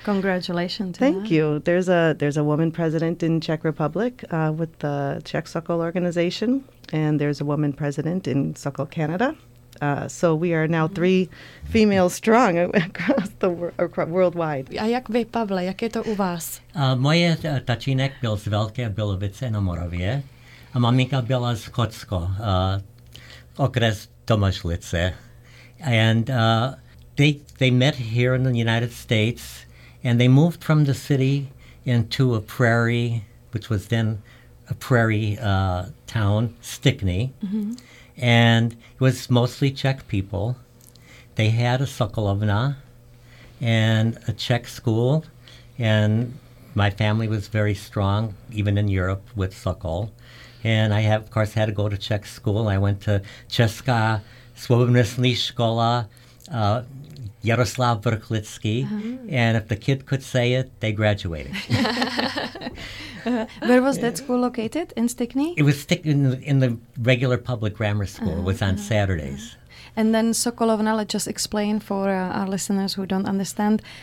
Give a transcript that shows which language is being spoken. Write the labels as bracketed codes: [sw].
[en] Congratulations. Thank you. There's a woman president in Czech Republic with the Czech Sokol Organization, and there's a woman president in Sokol Canada. So we are now three females strong across the worldwide. [cs] A jak vy, Pavle, jak je to u vás? Moje tatínek byl z Velké Bilovice na Moravě a maminka byla z Chocko, okres Domažlice. [en] And they met here in the United States, and they moved from the city into a prairie, which was then a prairie town, Stickney. Mm-hmm. And it was mostly Czech people. They had a Sokolovna and a Czech school, and my family was very strong, even in Europe, with Sokol. And I, have, of course, had to go to Czech school. I went to Česká Svobodnostní škola, Jaroslav Vrchlický. Uh-huh. And if the kid could say it, they graduated. Where was that school located? In Stickney? It was in the regular public grammar school. Uh-huh. It was on Saturdays. Uh-huh. And then Sokolovna, let's just explain for our listeners who don't understand.